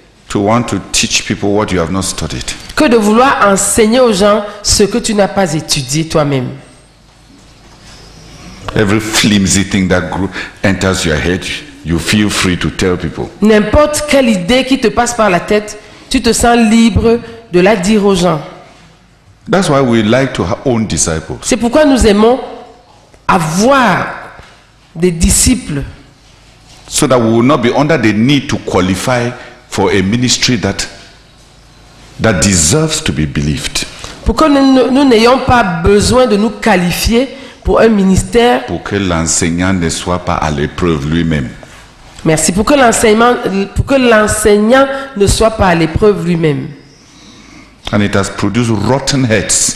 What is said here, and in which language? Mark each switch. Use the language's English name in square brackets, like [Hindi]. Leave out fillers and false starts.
[English] To want to teach people what you have not studied. [French] Que de vouloir enseigner aux gens ce que tu n'as pas étudié toi-même. [English] Every flimsy thing that enters your head, you feel free to tell people. [French] N'importe quelle idée qui te passe par la tête, tu te sens libre de la dire aux gens. [English] That's why we like to own disciples. [French] C'est pourquoi nous aimons avoir des disciples. [English] So that we will not be under the need to qualify for a ministry that deserves to be believed. [French] Pour que nous n'ayons pas besoin de nous qualifier pour un ministère. Pour que l'enseignant ne soit pas à l'épreuve lui-même. Merci. Pour que l'enseignant ne soit pas à l'épreuve lui-même. [English] And it has produced rotten heads.